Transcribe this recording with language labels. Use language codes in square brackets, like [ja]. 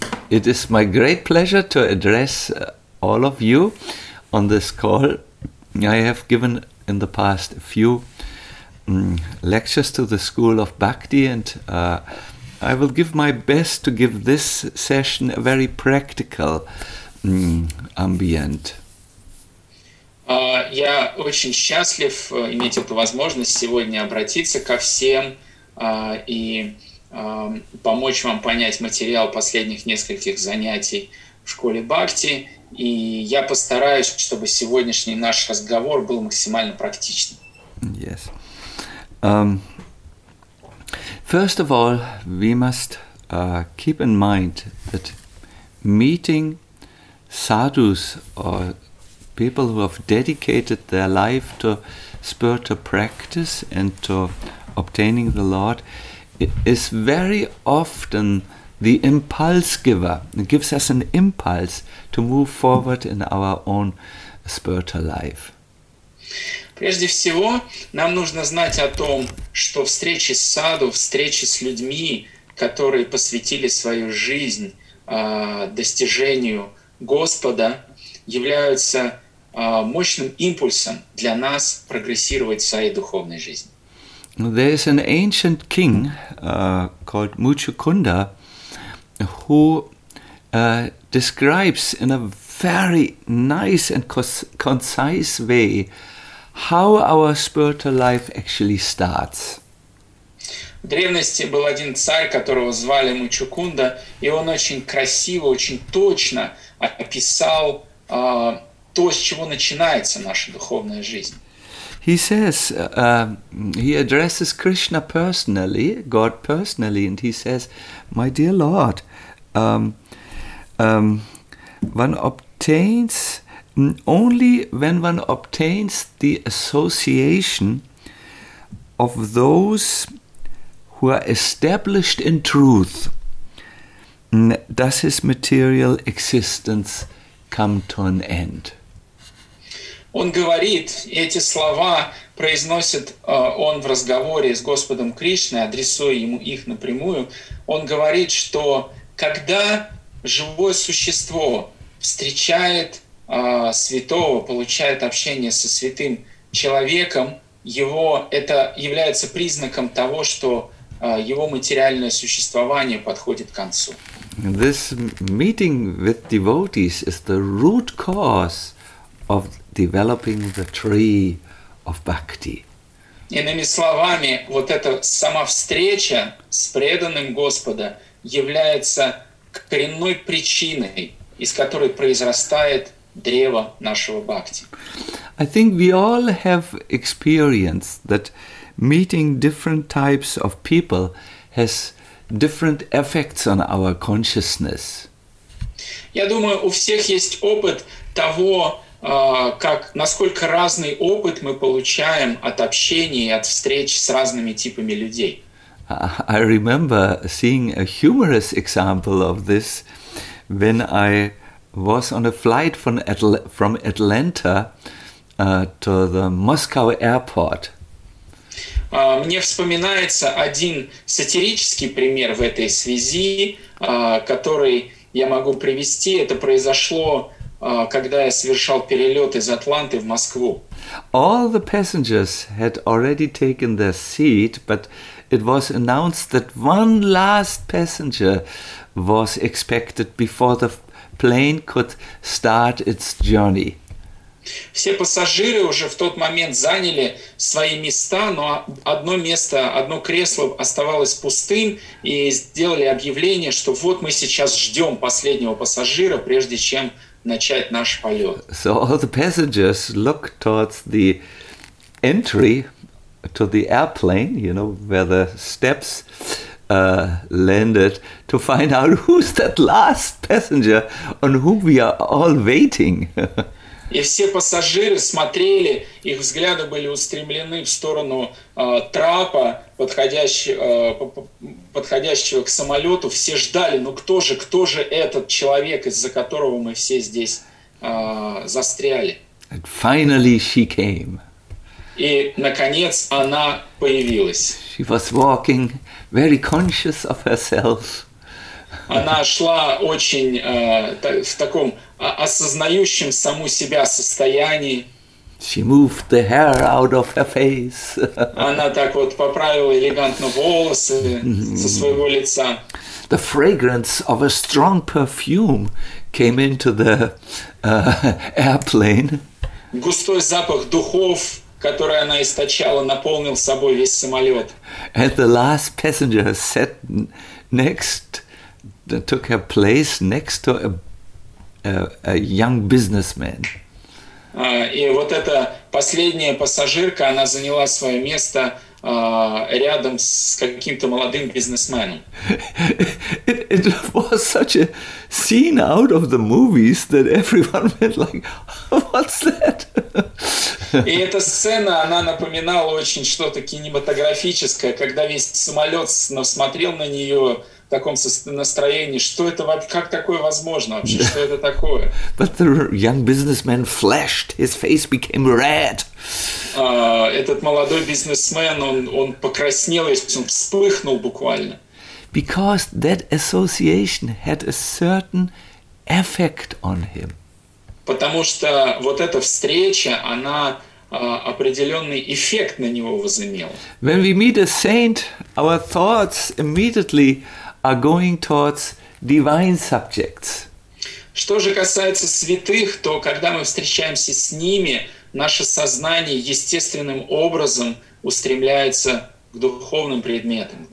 [en] It is my great pleasure to address all of you on this call. I have given in the past a few lectures to the School of Bhakti, and I will give my best to give this session a very practical ambient. [ru] Я очень счастлив иметь эту возможность сегодня обратиться ко всем и помочь вам понять материал последних нескольких занятий в Школе Бхакти. И я постараюсь, чтобы сегодняшний наш разговор был максимально практичным. [en] Yes. First of all, we must keep in mind that meeting sadhus or people who have dedicated their life to spiritual practice and to obtaining the Lord is very often the impulse giver. It gives us an impulse to move forward in our own spiritual life. [ru] Прежде всего, нам нужно знать о том, что встречи с саду, встречи с людьми, которые посвятили свою жизнь достижению Господа, являются мощным импульсом для нас прогрессировать в своей духовной жизни. [en] There is an ancient king called Muchukunda, who describes in a very nice and concise way how our spiritual life actually starts. [ru] В древности был один царь, которого звали Мучукунда, и он очень красиво, очень точно описал то, с чего начинается наша духовная жизнь. [en] He says, he addresses Krishna personally, God personally, and he says, my dear Lord, when one obtains the association of those who are established in truth, does his material existence come to an end. [ru] Он говорит, эти слова произносит он в разговоре с Господом Кришной, адресуя ему их напрямую. Он говорит, что когда живое существо встречает святого, получает общение со святым человеком, его это является признаком того, что его материальное существование подходит к концу. [en] This meeting with devotees is the root cause of developing the tree of bhakti. [ru] Иными словами, вот эта сама встреча с преданным Господа является коренной причиной, из которой произрастает древо нашего бхакти. [en] I think we all have experienced that meeting different types of people has different effects on our consciousness. [ru] Я думаю, у всех есть опыт того, как насколько разный опыт мы получаем от общения и от встреч с разными типами людей. [en] I remember seeing a humorous example of this when I was on a flight from Atlanta to the Moscow airport. [ru] Мне вспоминается один сатирический пример в этой связи, который я могу привести. Это произошло, когда я совершал перелет из Атланты в Москву. [en] All the passengers had already taken their seat, but it was announced that one last passenger was expected before the plane could start its journey. [ru] Все пассажиры уже в тот момент заняли свои места, но одно место, одно кресло оставалось пустым, и сделали объявление, что вот мы сейчас ждем последнего пассажира, прежде чем начать наш полет. [en] So all the passengers look towards the entry to the airplane, you know, where the steps landed, to find out who's that last passenger on whom we are all waiting. [ru] И все пассажиры смотрели, их взгляды были устремлены в сторону трапа, подходящего к самолету. Все ждали, ну кто же этот человек, из-за которого мы все здесь застряли? [en] And finally she came. [ru] И наконец она появилась. [en] She was walking very conscious of herself. [ru] Она шла очень в таком осознающем саму себя состоянии. [en] She moved the hair out of her face. [ru] Она так вот поправила элегантно волосы со своего лица. [en] The fragrance of a strong perfume came into the airplane. [ru] Густой запах духов, который она источала, наполнил собой весь самолет. [en] And the last passenger sat next, took her place next to a young businessman. [ru] И вот эта последняя пассажирка, она заняла свое место рядом с каким-то молодым бизнесменом. [en] It was such a scene out of the movies that everyone went like, what's that? [ru] И эта сцена, она напоминала очень что-то кинематографическое, когда весь самолет смотрел на нее в таком настроении, что это вообще, как такое возможно вообще, что это такое? [en] But the young businessman flashed, his face became red. [ru] Этот молодой бизнесмен, он покраснел, он вспыхнул буквально. [en] Because that association had a certain effect on him. [ru] Потому что вот эта встреча, она определенный эффект на него возымела. [en] When we meet a saint, our thoughts immediately are going towards divine subjects. [ru] Что же касается святых, то когда мы встречаемся с ними, наше сознание естественным образом устремляется к духовным предметам,